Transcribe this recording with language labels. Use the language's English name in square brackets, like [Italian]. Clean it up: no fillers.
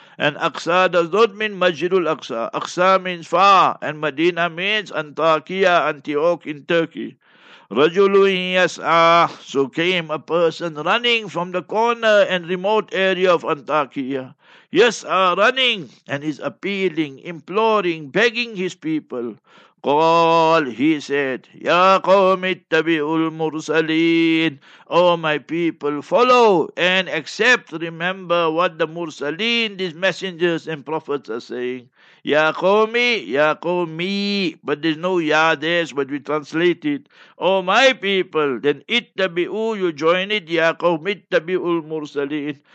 [English] And Aqsa does not mean Majidul Aqsa. Aqsa means far, and Medina means Antakya, Antioch in Turkey. [Arabic] رَجُلٌ يَسْعَى [English] So came a person running from the corner and remote area of Antakya. يَسْعَى running, and is appealing, imploring, begging his people. [Arabic] قال, [English] he said, [Arabic] يا قوم اتبعوا المرسلين. [English] O my people, follow and accept, remember what the Mursaleen, these messengers and prophets are saying. Ya qawmi, ya qawmi. But there's no ya there, but we translate it. O my people, then ittabi'u, you join it, [Arabic] ya qawmi ittabi'ul mursaleen.